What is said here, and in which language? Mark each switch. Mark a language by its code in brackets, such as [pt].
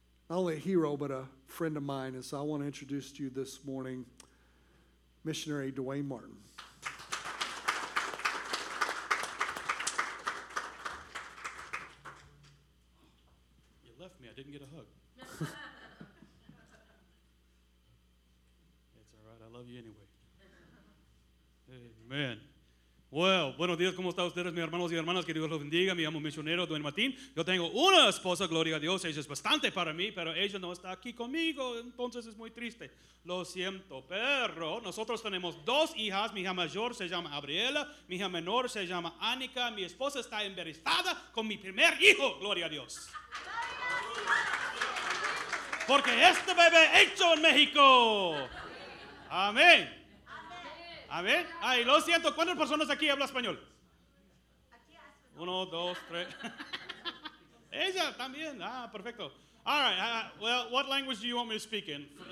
[en] Not only a hero, but a friend of mine. And so I want to introduce to you this morning, missionary Dwayne Martin. You left me. I didn't get a hug. It's all right. I love you anyway. Amen. [es] Well, buenos días, ¿cómo están ustedes, mis hermanos y hermanas? Que Dios los bendiga. Me llamo misionero Dwayne Martin. Yo tengo una esposa, gloria a Dios. Ella es bastante para mí, pero ella no está aquí conmigo, entonces es muy triste. Lo siento, pero nosotros tenemos dos hijas. Mi hija mayor se llama Gabriela, mi hija menor se llama Annika. Mi esposa está embarazada con mi primer hijo, gloria a Dios. Porque este bebé hecho en México. Amén. A ver, ay, lo siento, ¿cuántas personas aquí hablan español? Uno, dos, tres. Ella también, ah, perfecto. [en] All right, well, what language do you want me to speak in?